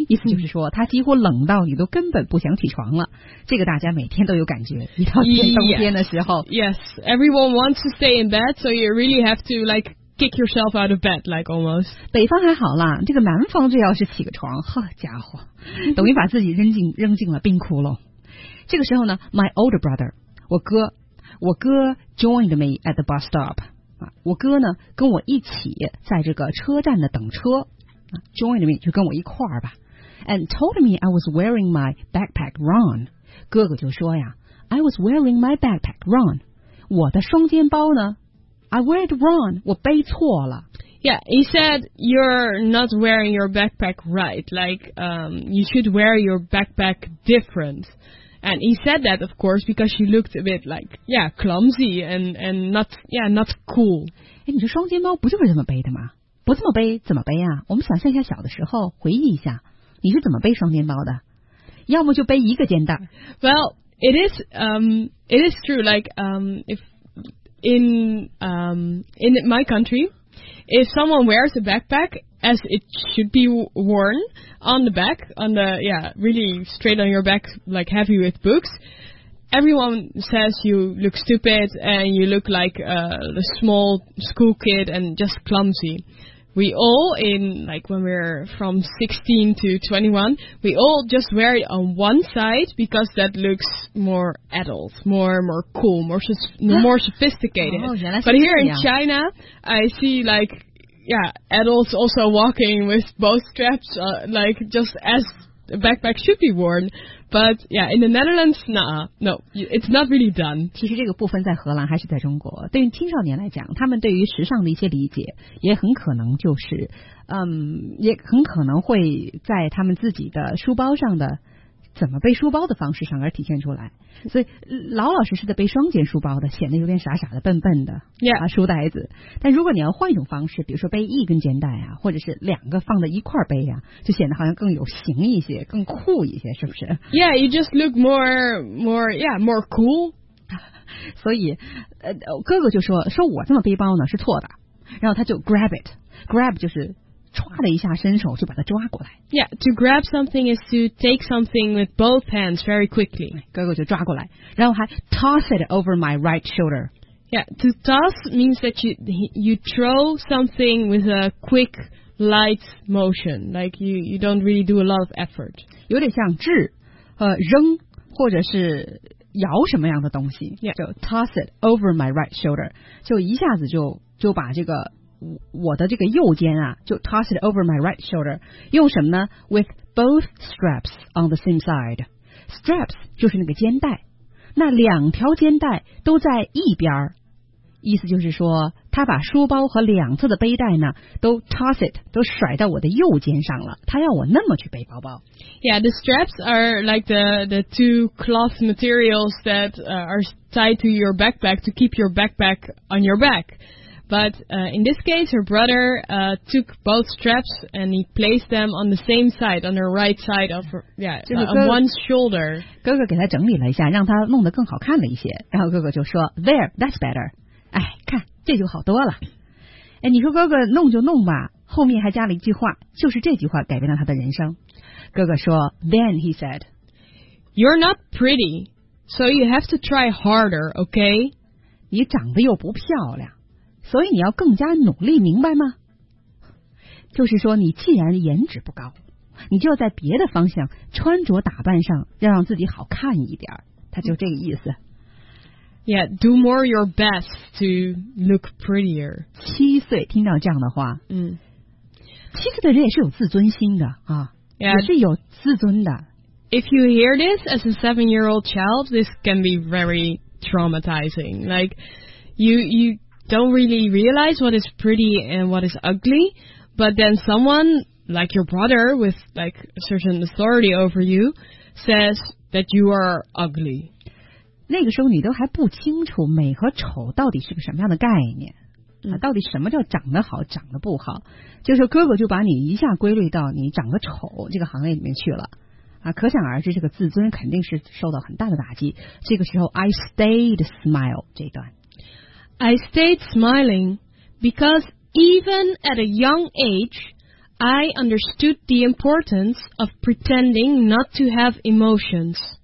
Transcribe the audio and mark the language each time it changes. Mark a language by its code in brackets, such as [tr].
[zh] 意思就是说，他几乎冷到你都根本不想起床了。这个大家每天都有感觉，一到冬天的时候。 [en] Yes, everyone wants to stay in bed, so you really have to like. Kick yourself out of bed, like almost. [zh] 北方还好啦，这个南方这要是起个床，好家伙，等于把自己扔进了冰窟窿。这个时候呢 [en] ，my older brother, [zh] 我哥 [en] joined me at the bus stop. [zh] 啊，我哥呢跟我一起在这个车站的等车。啊 ， [en] joined me [zh] 就跟我一块儿吧。 [en] And told me I was wearing my backpack wrong. [zh] 哥哥就说呀 [en] ，I was wearing my backpack wrong. [zh] 我的双肩包呢？ [en] I wear it wrong. [zh] 我背错了。 [en] Yeah, he said you're not wearing your backpack right. Like, you should wear your backpack different. And he said that, of course, because you looked a bit like, yeah, clumsy and not, yeah, not cool. [zh] 哎，你说双肩包不就是这么背的吗？不这么背怎么背啊？我们想象一下小的时候，回忆一下，你是怎么背双肩包的？要么就背一个肩带。 [en] Well, it is true. Like, if. In my country, if someone wears a backpack, as it should be worn on the back, on the, yeah, really straight on your back, like heavy with books. Everyone says you look stupid and you look like a small school kid and just clumsy. We all, in like when we're from 16 to 21, we all just wear it on one side because that looks more adult, more cool, more sophisticated. Oh, yeah, but here in China, I see like, yeah, adults also walking with both straps, like just as a backpack should be worn. But yeah, in the Netherlands, nah, no, it's not really done. [zh] 其实这个部分在荷兰还是在中国，对于青少年来讲，他们对于时尚的一些理解也很可能就是，也很可能会在他们自己的书包上的怎么背书包的方式上而体现出来。所以老老实实的背双肩书包的显得有点傻傻的笨笨的， [en] yeah. [zh] 啊，书呆子。但如果你要换一种方式，比如说背一根肩带啊，或者是两个放在一块背啊，就显得好像更有型一些，更酷一些，是不是？ [en] Yeah, you just look more cool. [zh] 所以哥哥就说我这么背包呢是错的，然后他就 [en] grab it, grab [zh] 就是抓了一下伸手就把它抓过来。 [en] Yeah, to grab something is to take something with both hands very quickly. [zh] 哥哥就抓过来，然后还 [en] toss it over my right shoulder. Yeah, to toss means that you throw something with a quick, light motion. Like you don't really do a lot of effort. [zh] 有点像掷、扔或者是摇什么样的东西。 [en] Yeah. [zh] 就 [en] toss it over my right shoulder. [zh] 就一下子就把这个我的这个右肩啊，就 toss it over my right shoulder， 用什么呢？ [en] With both straps on the same side， [zh] straps 就是那个肩带，那两条肩带都在一边，意思就是说他把书包和两侧的背带呢都 [en] toss it， [zh] 都甩到我的右肩上了，他要我那么去背包包。 [en] Yeah, the straps are like the two cloth materials that are tied to your backpack to keep your backpack on your back. But in this case, her brother took both straps and he placed them on the same side, on her right side of her, on one shoulder. [zh] 哥哥给他整理了一下，让他弄得更好看了一些。然后哥哥就说 ， [en] There, that's better. [zh] 哎，看，这就好多了。哎，你说哥哥弄就弄吧，后面还加了一句话，就是这句话改变了他的人生。哥哥说 [en] ，Then he said, "You're not pretty, so you have to try harder, okay?" [zh] 你长得又不漂亮。所以你要更加努力，明白吗？就是说，你既然颜值不高，你就要在别的方向穿着打扮上要让自己好看一点，他就这个意思。 [en] Yeah, do more your best to look prettier. [zh] 七岁听到这样的话，七岁的人也是有自尊心的啊， [en] yeah. [zh] 也是有自尊的。 [en] If you hear this as a seven-year-old child, this can be very traumatizing. Like you don't really realize what is pretty and what is ugly, but then someone like your brother with like a certain authority over you says that you are ugly. [zh] 那个时候你都还不清楚美和丑到底是个什么样的概念，到底什么叫长得好长得不好，就是哥哥就把你一下归类到你长得丑这个行业里面去了啊，可想而知这个自尊肯定是受到很大的打击。这个时候 [en] I stayed smile [zh] 这段 [en] I stayed smiling because even at a young age, I understood the importance of pretending not to have emotions.